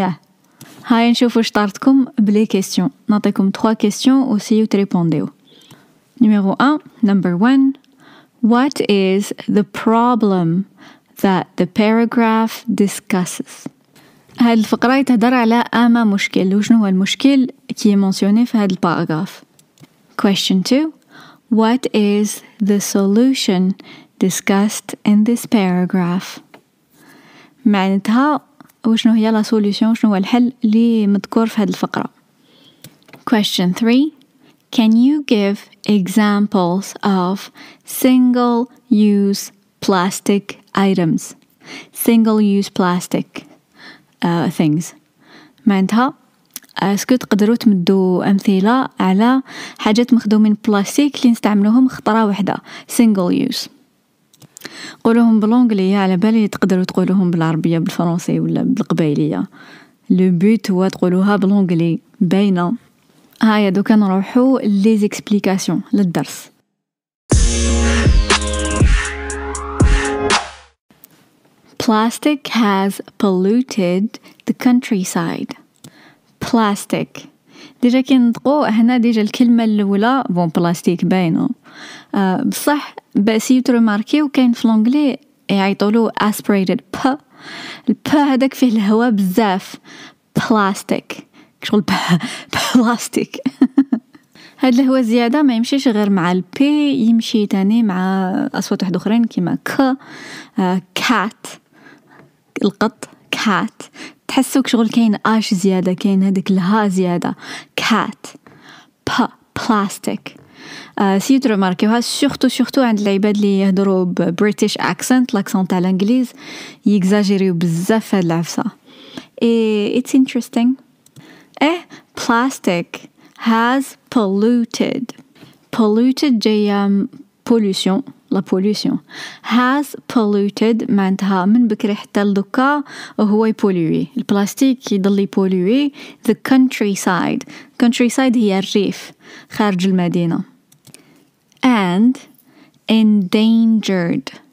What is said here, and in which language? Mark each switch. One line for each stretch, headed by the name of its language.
Arabic: يا هاي نشوفوا واش طارتكم بلي كيسيون. نعطيكم 3 كيسيون و سيو تريبونديو. نيميرو 1، نمبر 1،
English: what is the problem that the paragraph discusses؟
Arabic: هاد الفقره تهضر على اما مشكل، وشنو هو المشكل كي مونسيوني في هاد الباراغراف.
English: question 2، what is the solution discussed in this paragraph؟
Arabic: معناتها وشنو هي لا سوليوشن، شنو هو الحل اللي مذكور في هذه الفقره.
English: question 3، can you give examples of single use plastic items؟ single use plastic things،
Arabic: معناتها اسكو تقدروا تمدوا امثله على حاجات مخدومين بلاستيك اللي نستعملوهم خطره واحده
English: single use.
Arabic: قولوهم بالانجليزي على بالي تقدروا تقولوهم بالعربيه بالفرنسي ولا بالقبايليه. لو بوت هو تقولوها بالانجليزي باينه. هيا دوكا نروحو لي زيكسبليكاسيون للدرس.
English: Plastic has polluted the countryside. Plastic،
Arabic: ديجا كي نطقو هنا ديجا الكلمة الأولى بون بلاستيك باينة بصح، بس يترو ماركي وكاين في لونجلي يعيطولو
English: aspirated p.
Arabic: الp هذاك فيه الهواء بزاف. plastic شغل بلاستيك. هاد الهواء زيادة ما يمشيش غير مع البي، يمشي تاني مع أصوات واحد أخرين كيما ك كات القط كات، تحسوك شغل كين آش زيادة، كين هادك الها زيادة كات با بلاستيك. سيت رماركيوها سيختو سيختو عند العباد اللي يهدرو ببريتش أكسنت لكسان تاع الإنجليز، يكزاجيريو بزاف هاد العفسة.
English: It's interesting. إيه plastic has polluted. Polluted
Arabic: جاية
English: pollution، لا pollution. Has polluted
Arabic: معنتها من بكري حتى لدوكا وهو يبولوي. البلاستيك يضل يبولوي
English: the countryside.
Arabic: Countryside هي الريف خارج المدينة.
English: And endangered.